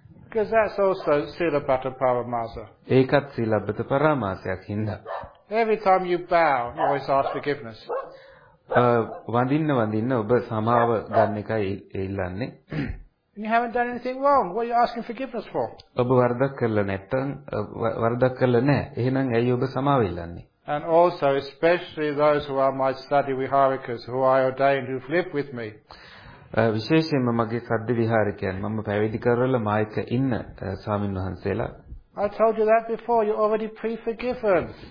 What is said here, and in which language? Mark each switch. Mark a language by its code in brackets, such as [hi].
[en] Because that's also Silabhata Paramasa. [si] ඒකත් සීලබ්බත පරමාසයක් හින්දා. [en] Every time you bow, you always ask forgiveness. [si] වඳින්න වඳින්න ඔබ සමාව ගන්න එකයි ඉල්ලන්නේ. [en] You haven't done anything wrong. What are you asking forgiveness for? [si] ඔබ වරදක් කළා නැත්නම් වරදක් කළා නැහැ. එහෙනම් ඇයි ඔබ සමාව ඉල්ලන්නේ? [en] And also, especially those who are my study viharikas, who I ordained, who've lived with me. [si] විශේෂයෙන්ම මගේ සද්ද විහාරිකයන් මම පැවිදි කරලා මායික ඉන්න ස්වාමින් වහන්සේලා [en] I told you that before you already pre-forgiven